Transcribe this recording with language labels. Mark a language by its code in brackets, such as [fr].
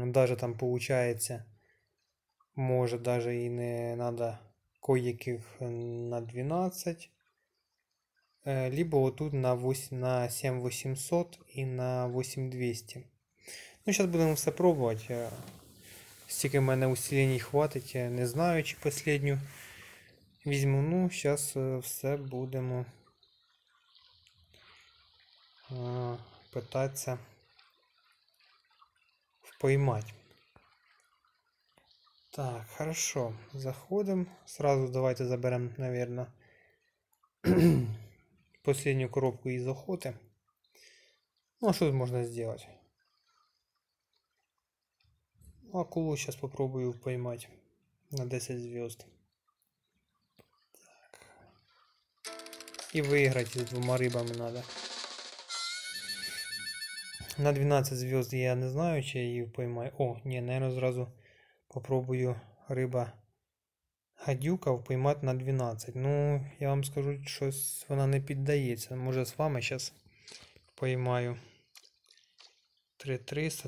[uk] Даже там виходить, може, даже і не треба кое-яких на 12. Либо отут на 7800 і на 8200. Ну, зараз будемо все пробувати. Стільки в мене усилень хватить, не знаю, чи последню візьму. Ну, зараз все будемо [ru] пытаться поймать. Так, хорошо. Заходим. Сразу давайте заберем, наверное, последнюю коробку из охоты. Ну, а что тут можно сделать? Ну, акулу сейчас попробую поймать на 10 звезд. Так. И выиграть с двумя рыбами надо. [uk] На 12 звезд я не знаю, чи я її поймаю. О, ні, наверное, зразу попробую риба гадюка впіймати на 12. Ну, я вам скажу, щось вона не піддається. Може, з вами зараз поймаю 3300.